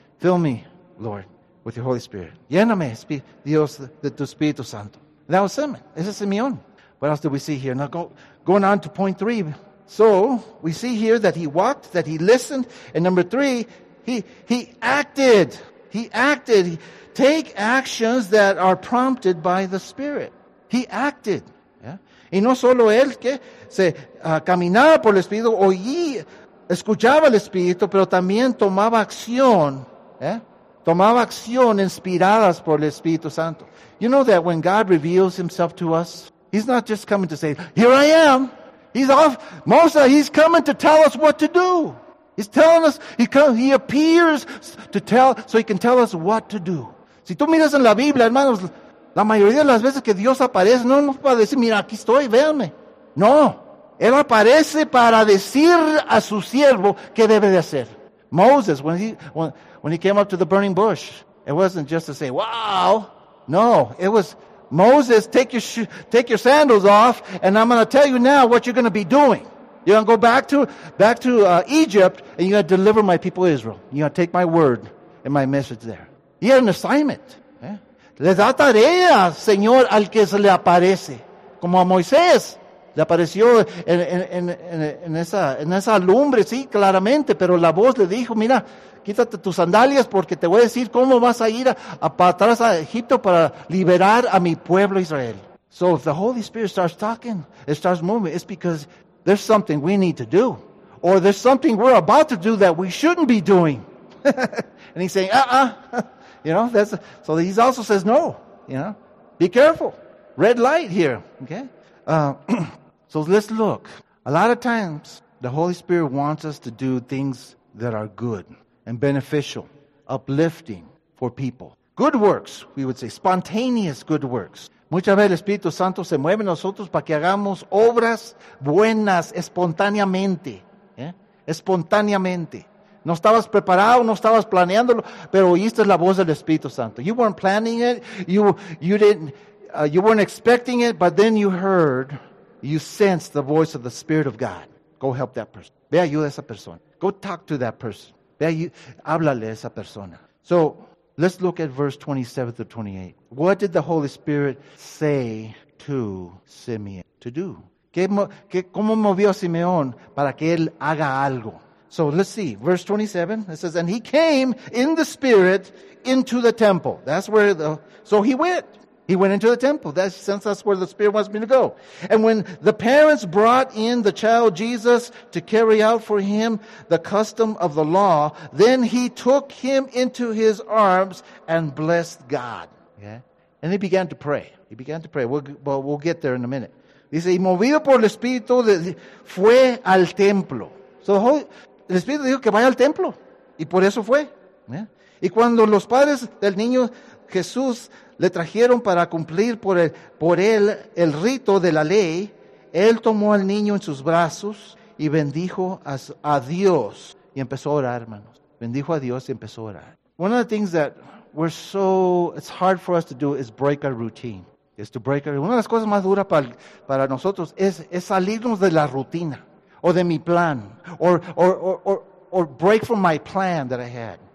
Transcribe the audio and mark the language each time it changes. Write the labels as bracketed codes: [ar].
[en] Fill me, Lord, with your Holy Spirit. [es] Lléname, Dios, de tu Espíritu Santo. [en] That was Simeon. [es] Ese es Simeón. [en] What else do we see here? Now, going on to point three. So, we see here that he walked, that he listened. And number three, he acted. He acted. Take actions that are prompted by the Spirit. He acted. [es] Y no solo él que se caminaba por el Espíritu, oía, escuchaba el Espíritu, pero también tomaba acción, ¿eh? Tomaba acción inspiradas por el Espíritu Santo. [en] You know that when God reveals himself to us, he's not just coming to say, here I am. He's off. Moses, he's coming to tell us what to do. He's telling us, he appears to tell, so he can tell us what to do. [es] Si tú miras en la Biblia, hermanos, la mayoría de las veces que Dios aparece, no es para decir, mira, aquí estoy, véanme. No, Él aparece para decir a su siervo qué debe de hacer. [en] Moses, when he came up to the burning bush, it wasn't just to say, wow. No, it was, Moses, take your sandals off, and I'm going to tell you now what you're going to be doing. You're going to go back to Egypt, and you're going to deliver my people Israel. You're going to take my word and my message there. He had an assignment. [es] Le da tarea, Señor, al que se le aparece. Como a Moisés. Le apareció en esa lumbre, sí, claramente. Pero la voz le dijo, mira, quítate tus sandalias porque te voy a decir cómo vas a ir para atrás a Egipto para liberar a mi pueblo Israel. [en] So if the Holy Spirit starts talking, it starts moving, it's because there's something we need to do. Or there's something we're about to do that we shouldn't be doing. And he's saying, You know, so he also says no, you know. Be careful. Red light here, okay? So let's look. A lot of times, the Holy Spirit wants us to do things that are good and beneficial, uplifting for people. Good works, we would say, spontaneous good works. [es] Muchas veces el Espíritu Santo se mueve en nosotros para que hagamos obras buenas espontáneamente, ¿eh? Espontáneamente. No estabas preparado, no estabas planeándolo, pero oíste la voz del Espíritu Santo. [en] You weren't planning it, you weren't expecting it, but then you heard, you sensed the voice of the Spirit of God. Go help that person. [es] Ve, ayuda a esa persona. [en] Go talk to that person. [es] Ve, háblale a esa persona. [en] So, let's look at verse 27 to 28. What did the Holy Spirit say to Simeon to do? [es] ¿Cómo movió a Simeón para que él haga algo? [en] So let's see, verse 27, it says, and he came in the Spirit into the temple. That's where so he went. He went into the temple, since that's where the Spirit wants me to go. And when the parents brought in the child Jesus to carry out for him the custom of the law, then he took him into his arms and blessed God. Yeah. And he began to pray. He began to pray. We'll get there in a minute. Dice, y movido por el Espíritu, fue al templo. So the whole... [es] El Espíritu dijo que vaya al templo. Y por eso fue. ¿Eh? Y cuando los padres del niño Jesús le trajeron para cumplir por él el rito de la ley, él tomó al niño en sus brazos y bendijo a Dios. Y empezó a orar, hermanos. Bendijo a Dios y empezó a orar. [en] One of the things that it's hard for us to do is break our routine. Is to break our, [es] una de las cosas más duras para nosotros es salirnos de la rutina. [en] Or [es] de mi plan, [en] or break from my plan that I had.